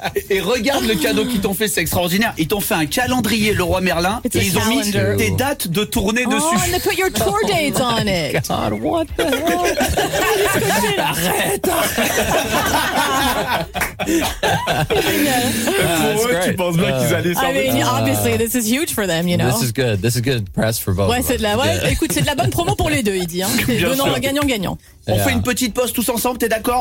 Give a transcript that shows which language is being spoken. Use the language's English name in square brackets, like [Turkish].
[French] Et regarde le cadeau qu'ils t'ont fait, c'est extraordinaire. Ils t'ont fait un calendrier, le roi Merlin. [English] It's [French] et ils ont mis des dates de tournée dessus. [English] Oh, and they put your tour dates on it. God, what the hell? [French] Arrête! Pour eux, tu penses bien qu'ils allaient s'en [English] sortir. I mean, obviously, this is huge for them, you know. This is good. This is good press for both. [French] Ouais, c'est de la, ouais, écoute, c'est de la bonne promo pour les deux, il dit. Hein. C'est donnant le gagnant. Gagnant. On fait une petite pause tous ensemble, t'es d'accord?